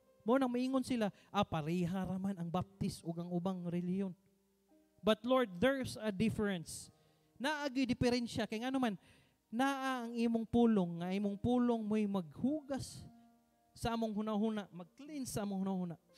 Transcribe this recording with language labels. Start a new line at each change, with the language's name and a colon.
Cebuano: Mo nang maingon sila, pareha raman ang Baptist o ang ubang reliyon.
English: But Lord, there's a difference.
Cebuano: Naagi diferensya kay ano man naa ang imong pulong nga imong pulong moy maghugas sa among hunahuna, mag-clean sa among hunahuna.